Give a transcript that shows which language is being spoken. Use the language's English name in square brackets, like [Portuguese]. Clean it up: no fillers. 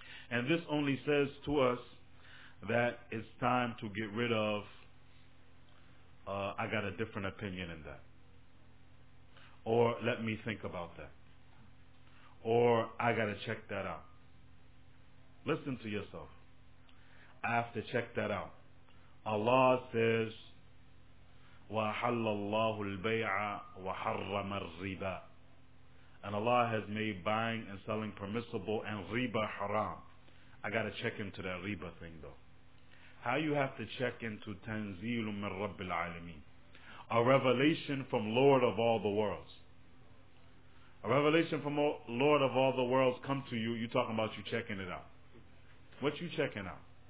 [English] And this only says to us that it's time to get rid of, I got a different opinion in that, or let me think about that, or I got to check that out. Listen to yourself. I have to check that out. Allah says, [Arabic] وَحَلَّ اللَّهُ الْبَيْعَ وَحَرَّمَ الرِّبَى. [English] And Allah has made buying and selling permissible and riba haram. I got to check into that riba thing though. How you have to check into [Arabic] tanzeelun min rabbil alameen? [English] A revelation from Lord of all the worlds. A revelation from Lord of all the worlds come to you, you talking about you checking it out. What you checking out?